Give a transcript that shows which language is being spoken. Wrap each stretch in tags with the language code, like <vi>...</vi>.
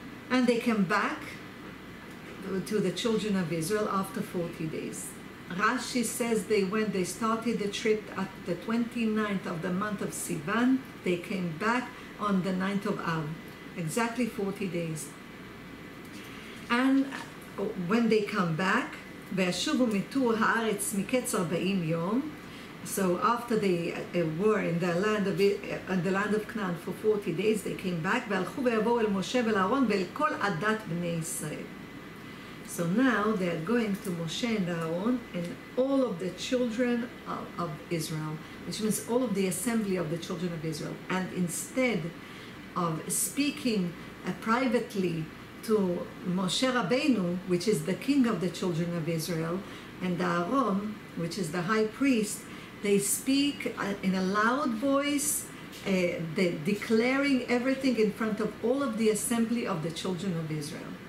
<en>And they come back to the children of Israel after 40 days. Rashi says they started the trip at the 29th of the month of Sivan. They came back on the 9th of Av, exactly 40 days. And when they come back,</en> <he>וישובו מטור הארץ מקץ 40 יום.</he> <en>So after they were in the land of Canaan for 40 days, they came back.</en> <he>והלכו ויבואו אל משה ואל אהרון ואל כל עדת בני ישראל.</he> <en>So now they are going to Moshe and Aaron and all of the children of Israel, which means all of the assembly of the children of Israel. And instead of speaking privately to Moshe Rabbeinu, which is the king of the children of Israel, and Aaron, which is the high priest, they speak in a loud voice, declaring everything in front of all of the assembly of the children of Israel.</en>